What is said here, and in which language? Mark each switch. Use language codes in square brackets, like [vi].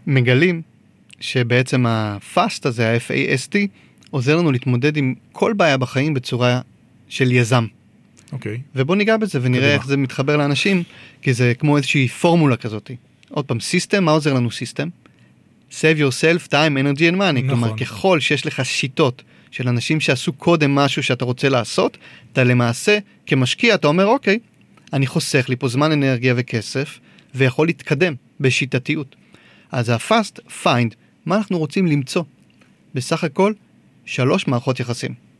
[he] מגלים. שבעצם ה-FAST הזה, ה-FAST, עוזר לנו להתמודד עם כל בעיה בחיים בצורה של יזם. אוקיי. ובוא ניגע בזה ונראה איך זה מתחבר לאנשים, כי זה כמו איזושהי פורמולה כזאת. עוד פעם, סיסטם, מה עוזר לנו סיסטם? [en] Save yourself time, energy and money. [he] כלומר, ככל שיש לך שיטות של אנשים שעשו קודם משהו שאתה רוצה לעשות, אתה למעשה, כמשקיע, אתה אומר, אוקיי, אני חוסך לי פה זמן, אנרגיה וכסף, ויכול להתקדם בשיטתיות. אז ה-FAST, find, מה אנחנו רוצים למצוא? בסך הכל, שלוש מערכות יחסים.